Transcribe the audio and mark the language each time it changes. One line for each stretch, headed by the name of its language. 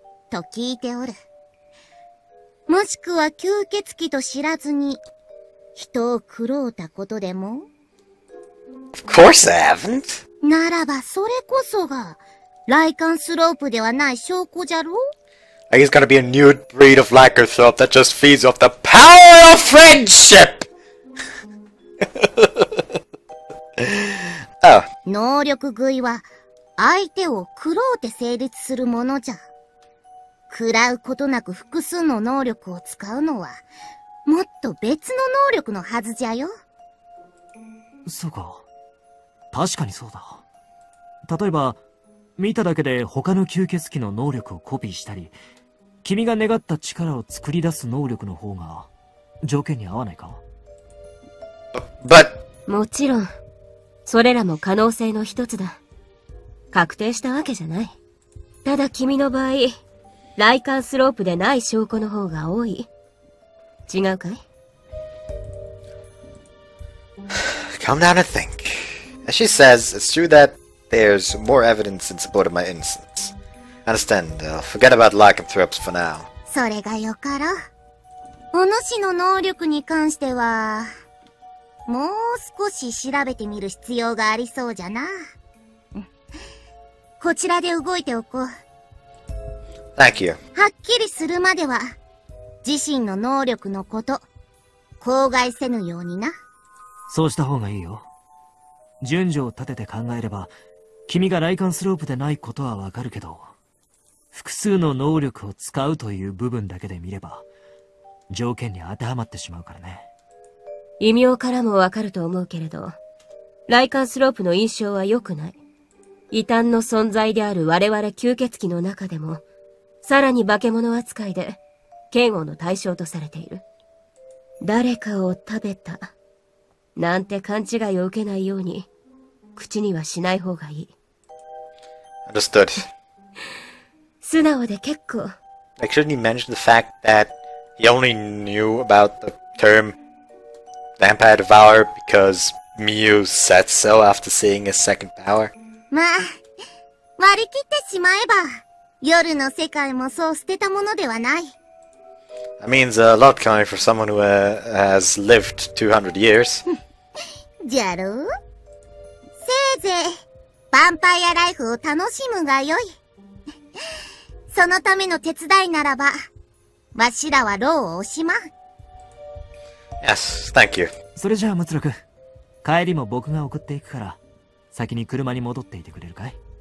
Japanese: と聞いておる。もしくは吸血鬼と知らずに、人を狂ったことでも？
English: Of course I haven't.
Japanese: ならばそれこそが、ライカンスロープではない証拠じゃろ？
English: He's gonna be a new breed of lycanthrope that just feeds off the power of friendship! Oh.
Japanese: 能力食いは、相手を狂って成立するものじゃ。食らうことなく複数の能力を使うのは、もっと別の能力のはずじゃよ。そうか。確かにそうだ。例えば、見ただけで他の吸血鬼の能力をコピーしたり、君が願った力を作り出す能力の方が、条件に合わないか？
English: But...
Japanese: もちろん、それらも可能性の一つだ。確定したわけじゃない。ただ君の場合、ライカンスロープでない証拠の方が多い。違うかい？
English: Calm down and think. As she says, it's true that there's more evidence in support of my innocence. Understand, forget about lycanthropes for now.
Japanese: それがよかろう。お主の能力に関しては、もう少し調べてみる必要がありそうじゃな。こちらで動いておこう。
English: Thank you.
Japanese: はっきりするまでは、自身の能力のこと、口外せぬようにな。そうした方がいいよ。順序を立てて考えれば、君がライカンスロープでないことはわかるけど、複数の能力を使うという部分だけで見れば、条件に当てはまってしまうからね。異名からもわかると思うけれど、ライカンスロープの印象は良くない。異端の存在である我々吸血鬼の中でも、さらに化け物扱いで、嫌悪の対象とされている。誰かを食べた、なんて勘違いを受けないように、口にはしない方がいい。
English: Understood.
Japanese: 素直で結構。
English: Like, shouldn't he mention the fact that he only knew about the term vampire devourer because Miu said so after seeing his second power?
Japanese: まあ、割り切ってしまえば、夜の世界もそう捨てたものではない。
English: That means a lot coming for someone who has lived 200 years.
Japanese: じゃろう？せいぜい、ヴァンパイアライフを楽しむがよい。そのための手伝いならば、わしらは労を惜しまん。
English: Yes, thank you.
Japanese: それじゃあ、ムツロク。帰りも僕が送っていくから、先に車に戻っていてくれるかい？